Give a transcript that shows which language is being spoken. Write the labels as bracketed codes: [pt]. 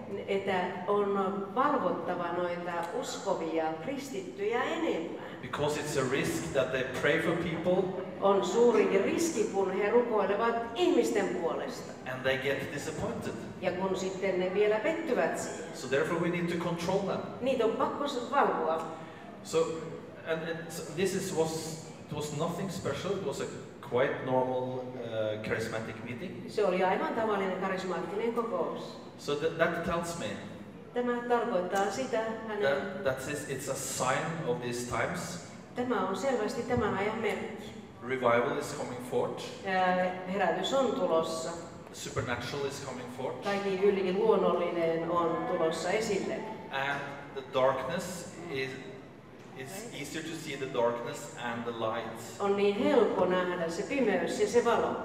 [fi] Että on valvottava noita uskovia kristittyjä enemmän. [en] Because it's a risk that they pray for people. [fi] On suuri riski, kun he rukoilevat ihmisten puolesta. [en] And they get disappointed. [fi] Ja kun sitten ne vielä pettyvät siihen. [en] So therefore we need to control them. [fi] Niitä on pakko valvoa. [en] So, it was nothing special. It was a quite normal charismatic meeting. [fi] Se oli aivan tavallinen karismaattinen kokous. [en] So that tells me. [fi] Tämä tarkoittaa sitä. [en] That it's a sign of these times. [fi] Tämä on selvästi tämän ajan merkki. [en] Revival is coming forth. [fi] Herätys on tulossa. [en] Supernatural is coming forth. [fi] Kaikki yliluonnollinen on tulossa esille. [en] And the darkness is. It's easier to see the darkness and the light. [fi] On niin helppo nähdä se pimeys ja se valo.